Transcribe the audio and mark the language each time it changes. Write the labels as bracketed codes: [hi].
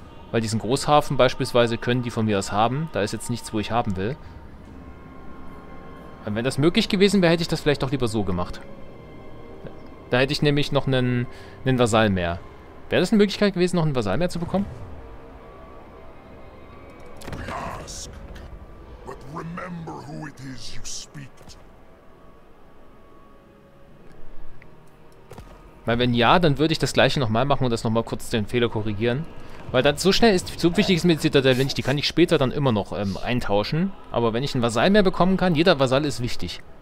[de] Weil diesen Großhafen beispielsweise können die von mir aus haben. Da ist jetzt nichts, wo ich haben will. Wenn das möglich gewesen wäre, hätte ich das vielleicht doch lieber so gemacht. Da hätte ich nämlich noch einen Vasall mehr. Wäre das eine Möglichkeit gewesen, noch einen Vasall mehr zu bekommen? [en] We ask, but remember who it is you speak to. [de] Weil wenn ja, dann würde ich das gleiche nochmal machen und das nochmal kurz den Fehler korrigieren. Weil das so schnell ist, so wichtig ist mir die Zitadelle nicht, die kann ich später dann immer noch eintauschen. Aber wenn ich einen Vasall mehr bekommen kann, jeder Vasall ist wichtig.